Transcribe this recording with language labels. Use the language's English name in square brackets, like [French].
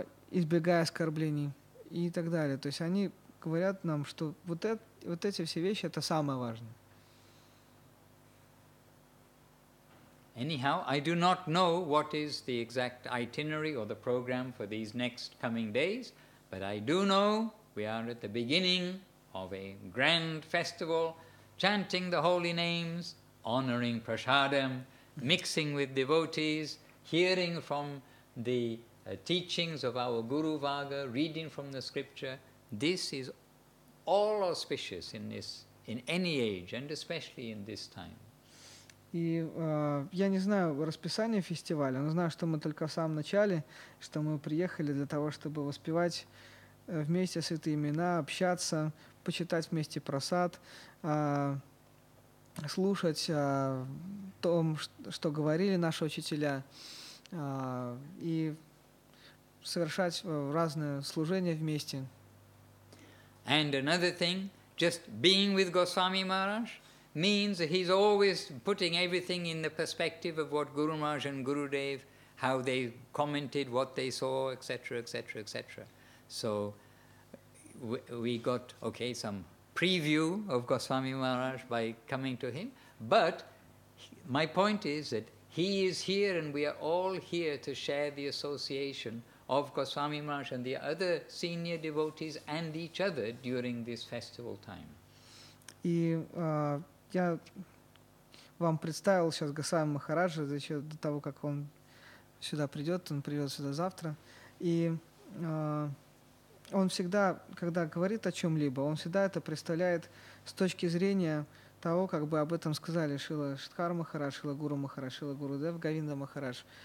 [Russian] избегая оскорблений и так далее. То есть они говорят нам, что вот это, вот эти все вещи — это самое важное. [English] Anyhow, I do not know what is the exact itinerary or the program for these next coming days, but I do know we are at the beginning of a grand festival, chanting the holy names, honoring prasadam, mixing with devotees, hearing from the teachings of our Guru Vaga, reading from the scripture. This is all auspicious in this, in any age, and especially in this time. [Russian] И я не знаю расписание фестиваля, но знаю, что мы только в самом начале, что мы приехали для того, чтобы воспевать вместе святые имена, общаться, почитать вместе прасад, слушать о том, что говорили наши учителя, и совершать разные служения вместе. [English] And another thing, just being with Goswami Maharaj means that he's always putting everything in the perspective of what Guru Maharaj and Gurudev, how they commented, what they saw, etc., etc., etc. So we got, okay, some preview of Goswami Maharaj by coming to him. But my point is that he is here and we are all here to share the association of Goswami Maharaj and the other senior devotees and each other during this festival time. [Russian] И я вам представил сейчас Госвами Махараджа, еще до того, как он сюда придет, он придет сюда завтра. И он всегда, когда говорит о чем-либо, он всегда это представляет с точки зрения того, как бы об этом сказали Шрила Шридхар Махарадж, Шрила Гуру Махарадж, Шрила Гуру Дев Говинда Махарадж.